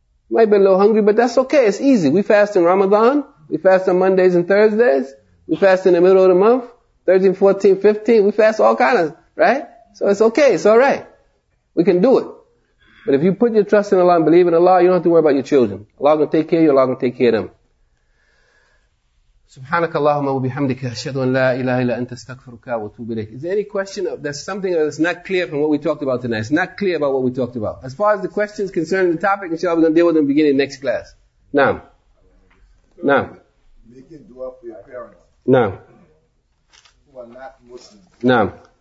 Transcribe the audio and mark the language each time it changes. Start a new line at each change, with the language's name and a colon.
English: You might be a little hungry, but that's okay. It's easy. We fast in Ramadan. We fast on Mondays and Thursdays. We fast in the middle of the month. 13, 14, 15. We fast all kind of, right? So it's okay. It's all right. We can do it. But if you put your trust in Allah and believe in Allah, you don't have to worry about your children. Allah will take care of you. Allah will take care of them.
Arabic: سبحانك اللهم وبحمدك أشهد أن لا إله إلا أنت استغفرك وأتوب إليك.
English: Is there any question of, there's something that's not clear from what we talked about tonight? It's not clear about what we talked about. As far as the questions concerning the topic, inshallah, we're going to deal with them beginning next class. Naam. Naam. Making dua for your parents. Naam. Who are not Muslim. Naam.